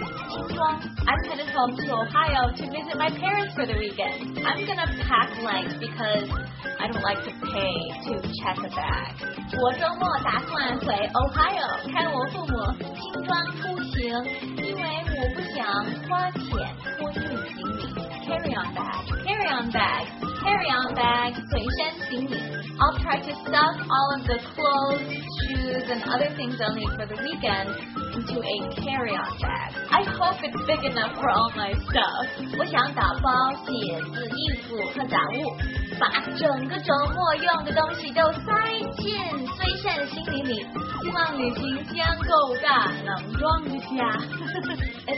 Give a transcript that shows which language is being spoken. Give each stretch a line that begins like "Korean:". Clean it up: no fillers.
Chinese: 听说
English: I'm headed home to Ohio to visit my parents for the weekend. I'm gonna pack light because I don't like to pay to check a bag.
Chinese: 我周末打算回 Ohio 看我父母，轻装出行，因为我不想花钱托运行李。
English: Carry on bag.
Chinese: 随身行李。
English: I'll try to stuff all of the clothes, shoes, and other things I'll need for the weekend into a carry-on bag. I hope it's big enough for all my stuff.
Chinese: 我想打包鞋子、衣服和杂物，把整个周末用的东西都塞进随身行李里。希望旅行箱够大，能装得下。